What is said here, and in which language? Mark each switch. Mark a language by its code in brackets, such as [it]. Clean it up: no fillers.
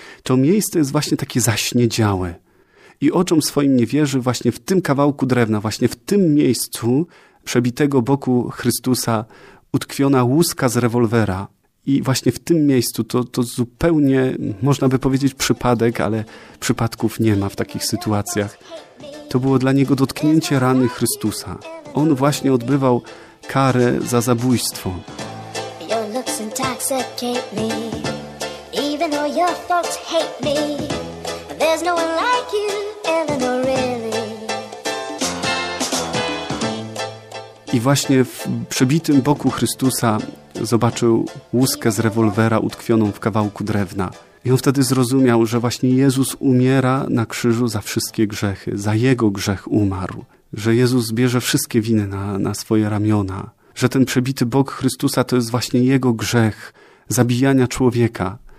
[pl] To miejsce jest właśnie takie zaśniedziałe. I oczom swoim nie wierzy właśnie w tym kawałku drewna, właśnie w tym miejscu przebitego boku Chrystusa utkwiona łuska z rewolwera. I właśnie w tym miejscu to zupełnie, można by powiedzieć, przypadek, ale przypadków nie ma w takich sytuacjach. To było dla niego dotknięcie rany Chrystusa. On właśnie odbywał karę za zabójstwo. [en] Your looks intoxicate me, even though your folks hate me. There's no one like you, Eleanor, really. [pl] I właśnie w przebitym boku Chrystusa zobaczył łuskę z rewolwera utkwioną w kawałku drewna. I on wtedy zrozumiał, że właśnie Jezus umiera na krzyżu za wszystkie grzechy, za jego grzech umarł, że Jezus bierze wszystkie winy na swoje ramiona, że ten przebity bok Chrystusa to jest właśnie jego grzech zabijania człowieka.